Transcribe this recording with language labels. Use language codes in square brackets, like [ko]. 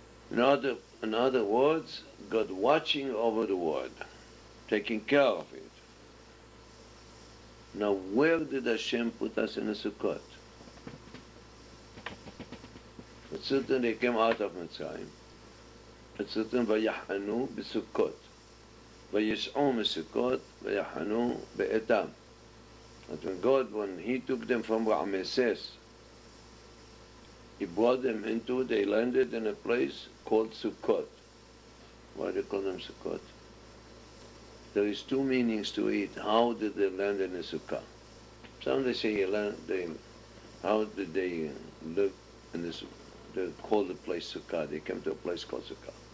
[en] In other words, God watching over the world, taking care of it. Now where did Hashem put us in the Sukkot? It's written they came out of Mitzrayim. It's written Vayahanu b'Sukkot. [he] וישעו מסוכות ויחנו בעתם. [en] And when God, when he took them from Ramesses, he brought them into, they landed in a place called Sukkot. Why do they call them Sukkot? There is two meanings to it. How did they land in a Sukkah? Some they say, how did they live in this, they call the place Sukkah, they came to a place called Sukkah.